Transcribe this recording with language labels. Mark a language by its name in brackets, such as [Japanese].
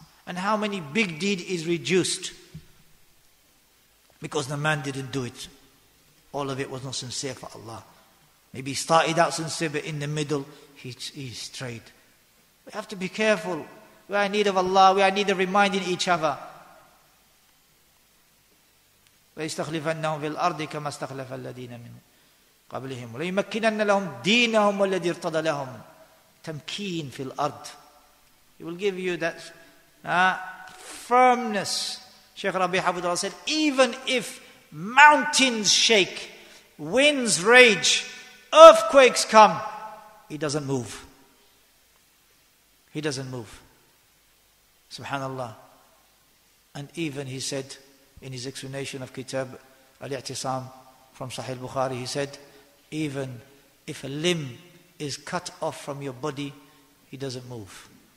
[English] And how many big deed is reduced because the man didn't do it? All of it was not sincere for Allah. Maybe he started out sincere, but in the middle, he strayed. We have to be careful. We are in need of Allah. We are in need of reminding each other. [Arabic] وَيَسْتَخْلِفَنَّهُمْ فِي الْأَرْضِ كَمَا اسْتَخْلَفَ الَّذِينَ مِنْ قَبْلِهِمْ وَلَيْمَكِّنَنَّ لَهُمْ دِينَهُمْ وَالَّذِي ارْتَضَى لَهُمْ تَمْكِين فِي الْأَرْضِ. [English] He will give you that firmness. Shaykh Rabi Hafidhullah said, even if mountains shake, winds rage, earthquakes come, he doesn't move. Subhanallah. And even he said in his explanation of Kitab Al-I'tisam from Sahih al-Bukhari, he said, even if a limb is cut off from your body, he doesn't move.